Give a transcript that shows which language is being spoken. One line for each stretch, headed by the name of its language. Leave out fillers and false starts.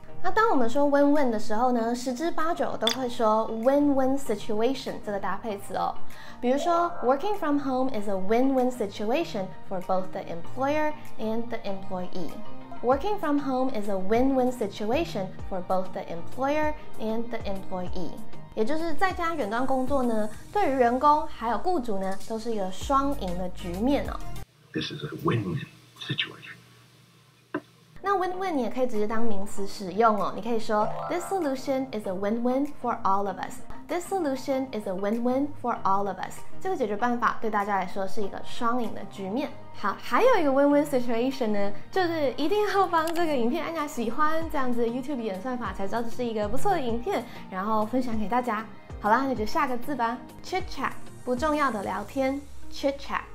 Chinese: 那当我们说 win-win 的时候呢，十之八九都会说 win-win situation 这个搭配词哦，比如说
English: working from home is a win-win situation for both the employer and the employeeWorking from home is a win-win situation for both the employer and the employee.
Chinese: 也就是在家远端工作呢，对于员工还有雇主呢，都是一个双赢的局面哦。
English: This is a win-win situation.
Chinese: 那 win-win 你也可以直接当名词使用哦，你可以说
English: This solution is a win-win for all of us. This solution is a win-win for all of us.
Chinese: 这个解决办法对大家来说是一个双赢的局面。好，还有一个 win-win situation 呢，就是一定要帮这个影片按下喜欢，这样子 YouTube 演算法才知道这是一个不错的影片，然后分享给大家。好啦，那就下个字吧， chit chat， 不重要的聊天， chit chat。